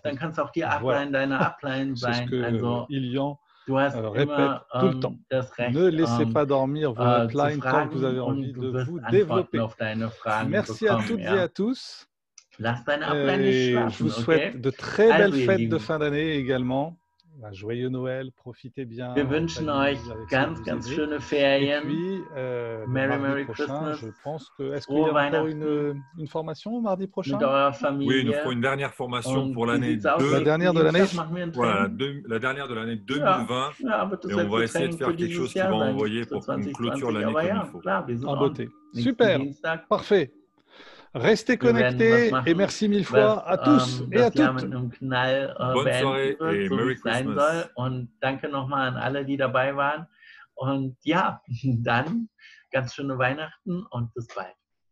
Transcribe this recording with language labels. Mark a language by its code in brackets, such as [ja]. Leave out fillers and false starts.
[fr] C'est ce que Ilian répète tout le temps. Ne laissez pas dormir vos upline tant que vous avez envie de vous développer. Merci à toutes et à tous. Je vous souhaite de très belles fêtes de fin d'année également. Un joyeux Noël, profitez bien. [de] Wir wünschen euch ganz, ganz schöne Ferien. [en] Merry, Merry Christmas. [fr] Je pense que, est-ce qu'il y aura encore une formation mardi prochain? Oui, nous ferons une dernière formation pour l'année 2020. La dernière de l'année? Voilà, la dernière de l'année 2020. Et on va essayer de faire quelque chose qui va envoyer pour qu'on clôture l'année comme il faut. En beauté. Super, parfait. Restez connectés et merci mille fois à tous et à toutes. Bonne soirée et [en] Merry Christmas. [de] Und danke nochmal an alle, die dabei waren. Und ja, dann ganz schöne Weihnachten und bis bald.